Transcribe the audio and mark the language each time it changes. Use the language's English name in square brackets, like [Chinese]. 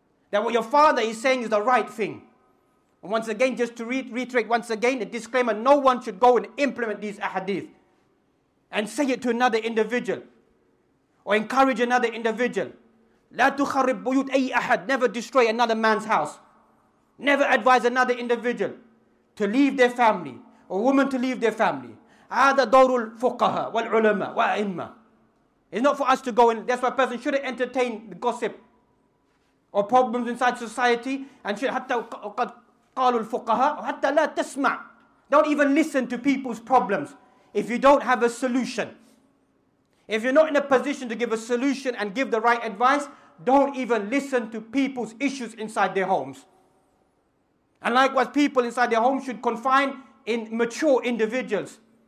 [English] That what your father is saying is the right thing. And once again, just to reiterate once again, a disclaimer, no one should go and implement these ahadith and say it to another individual or encourage another individual. [Arabic] لا تخرب بيوت أي أحد. [English] Never destroy another man's house. Never advise another individual to leave their family or a woman to leave their family. [Arabic] هذا دور الفقهاء والعلماء وأئمة. [English] It's not for us to go in. That's why a person shouldn't entertain the gossip or problems inside society. [Arabic] And should حتى قد قالوا الفقهاء حتى لا تسمع. [English] Don't even listen to people's problems if you don't have a solution. If you're not in a position to give a solution and give the right advice, don't even listen to people's issues inside their homes. And likewise, people inside their homes should confine in mature individuals.